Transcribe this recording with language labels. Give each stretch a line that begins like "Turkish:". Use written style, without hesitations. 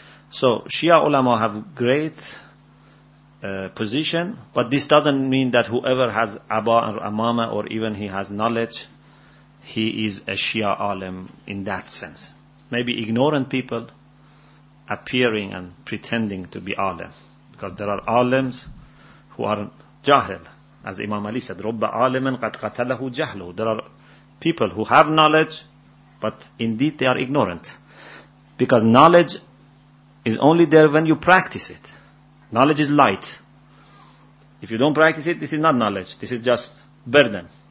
English: So Shia ulama have great position, but this doesn't mean that whoever has Aba or Amama, or even he has knowledge, he is a Shia alim in that sense. Maybe ignorant people appearing and pretending to be alim, because there are alims who are jahil. As Imam Ali said,
Arabic: رُبَّ عَالِمًا قَدْ قَتَلَهُ جَهْلُهُ.
English: There are people who have knowledge, but indeed they are ignorant. Because knowledge is only there when you practice it. Knowledge is light. If you don't practice it, this is not knowledge. This is just burden.